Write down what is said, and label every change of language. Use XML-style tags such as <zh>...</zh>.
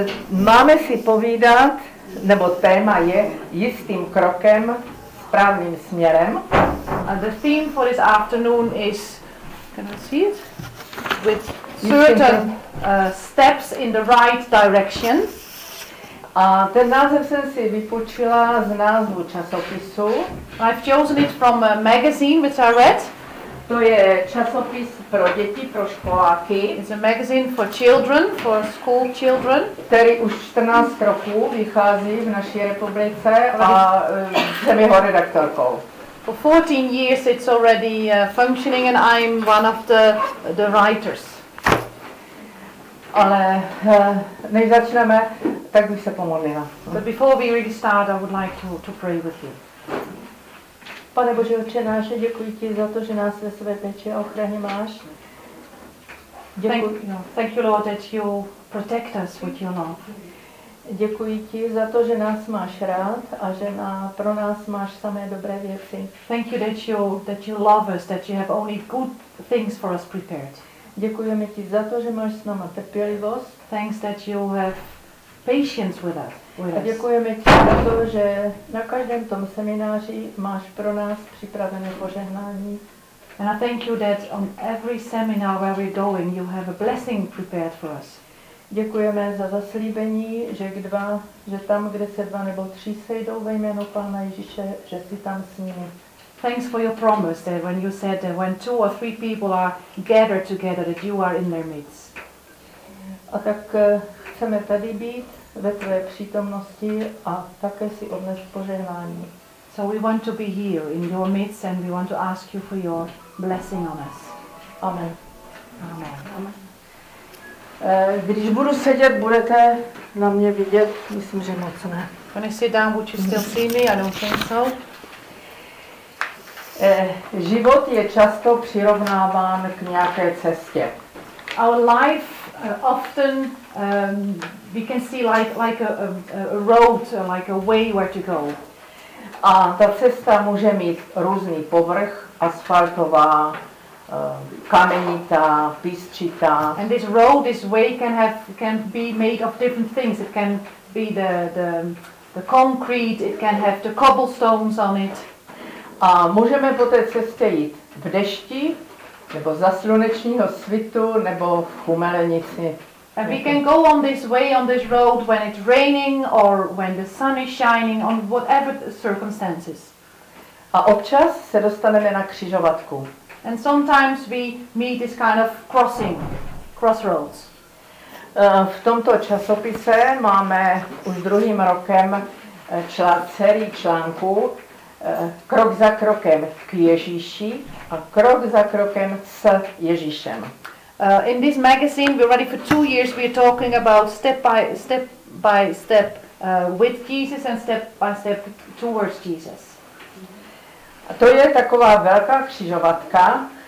<cs>Máme si povídat, nebo téma je jistým krokem správným směrem.</cs> <en>And the theme for this afternoon is, can I see it? With certain steps in the right direction.</en> <cs>A ten název jsem si vypůjčila z názvu časopisu.</cs> <en>I've chosen it from a magazine which I read.</en> <cs>To je časopis pro děti, pro školáky.</cs> <en>It's a magazine for children, for school children.</en> <cs>Který už 14 roků vychází v naší republice a jsem jeho redaktorkou.</cs> <en>For 14 years it's already functioning and I'm one of the writers.</en> <cs>Ale než začneme, tak bych se pomodlila.</cs> <en>But before we really start, I would like to pray with you.</en> <cs>Pane Bože, Otče náše, děkuji ti za to, že nás ve své péči a ochraně máš.</cs> <en>Thank you, Lord, that you protect us with your love.</en> <cs>Děkuji ti za to, že nás máš rád a že pro nás máš samé dobré věci.</cs> <en>Thank you that you love us, that you have only good things for us prepared.</en> <cs>Děkujeme ti za to, že máš s náma trpělivost.</cs> <en>Thanks that you have patience with us.</en> <cs>A děkujeme ti za to, že na každém tom semináři máš pro nás připravené požehnání.</cs> <en>And I thank you that on every seminar where we're going, you have a blessing prepared for us.</en> <cs>Děkujeme za zaslíbení, že tam, kde se dva nebo tři sejdou ve jménu Pána Ježíše, že jsi tam s nimi.</cs> <en>Thanks for your promise that when you said that when two or three people are gathered together, that you are in their midst.</en> <cs>A tak chceme tady být ve tvé přítomnosti a také si odnes požehnání.</cs> <en>So we want to be here in your midst and we want to ask you for your blessing on us.</en> <cs>Amen.</cs> <en>Amen.</en> <cs>Když budu sedět, budete na mě vidět? Myslím, že moc ne.</cs> <en>When I sit down, would you still see me? I don't think so.</en> <cs>Život je často přirovnáván k nějaké cestě.</cs> <en>Our life often we can see like a road, like a way where to go.</en> <cs>A ta cesta může mít různý povrch, asfaltová, kamenitá, písčitá.</cs> <en>And this road, this way can be made of different things. It can be the concrete, it can have the cobblestones on it.</en> <cs>A můžeme po té cestě jít v dešti, nebo za slunečního svitu, nebo v chumelenici.</cs> <en>And we can go on this way, on this road, when it's raining or when the sun is shining, on whatever the circumstances.</en> <cs>A občas se dostaneme na křižovatku.</cs> <en>And sometimes we meet this kind of crossroads.</en> <cs>V tomto časopise máme už druhým rokem celý článku Krok za krokem k Ježíši a krok za krokem s Ježíšem.</cs> <en>In this magazine, we're ready for 2 years. We're talking about step by step with Jesus and step by step towards Jesus.</en> <cs>A to je taková velká křižovatka.</cs>